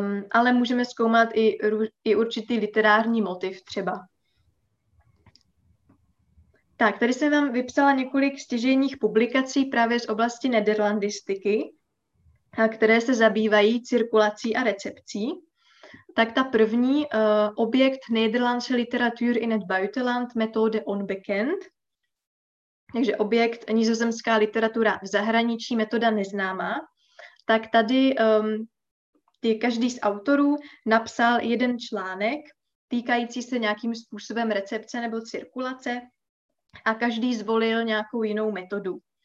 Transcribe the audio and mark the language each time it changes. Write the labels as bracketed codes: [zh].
[cs] Ale můžeme zkoumat i určitý literární motiv třeba. Tak, tady jsem vám vypsala několik stěžejních publikací právě z oblasti nederlandistiky, které se zabývají cirkulací a recepcí. Tak ta první, [nl] objekt Nederlandse literatuur in het buitenland, metode onbekend. [cs] Takže objekt nizozemská literatura v zahraničí, metoda neznámá, tak tady každý z autorů napsal jeden článek týkající se nějakým způsobem recepce nebo cirkulace a každý zvolil nějakou jinou metodu.